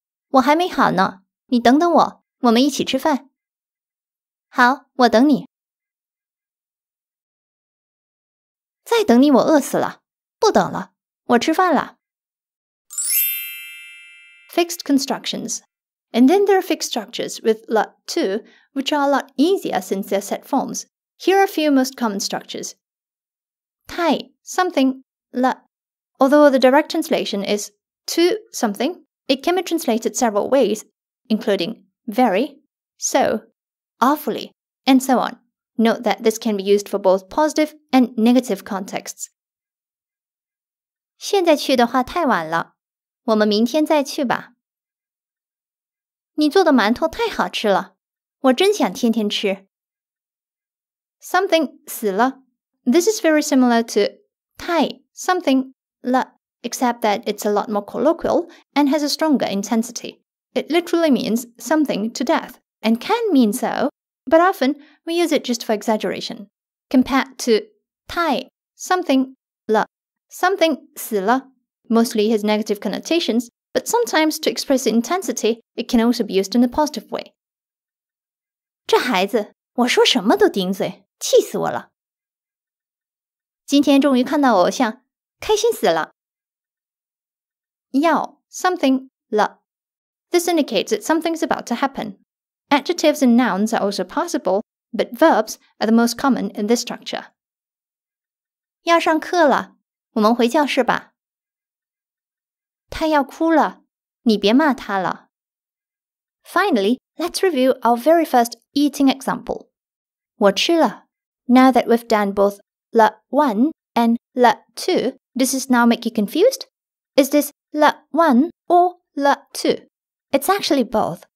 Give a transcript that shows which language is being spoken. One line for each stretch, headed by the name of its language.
Chinese: 我还没好呢，你等等我，我们一起吃饭。好，我等你。再等你我饿死了，不等了，我吃饭了。
English: Fixed constructions. And then there are fixed structures with le to, which are a lot easier since they're set forms. Here are a few most common structures.
Chinese: 太
English: something, 了 Although the direct translation is to something, it can be translated several ways, including very, so, awfully, and so on. Note that this can be used for both positive and negative contexts.
Chinese: 现在去的话太晚了，我们明天再去吧。你做的馒头太好吃了，我真想天天吃。
English: Something 死了 This is very similar to
Chinese: 太
English: something 了 except that it's a lot more colloquial and has a stronger intensity. It literally means something to death and can mean so, but often we use it just for exaggeration. Compared to
Chinese: 太
English: something 了 something 死了 mostly has negative connotations, but sometimes to express intensity, it can also be used in a positive way.
Chinese: 这孩子，我说什么都顶嘴，气死我了。今天终于看到偶像，开心死了。
English: 要 something 了。This indicates that something's about to happen. Adjectives and nouns are also possible, but verbs are the most common in this structure.
Chinese: 要上课了，我们回教室吧。他要哭了，你别骂他了。
English: Finally, let's review our very first eating example.
Chinese: 我吃了。
English: Now that we've done both la 1 and la 2, does this now make you confused? Is this la 1 or la 2? It's actually both.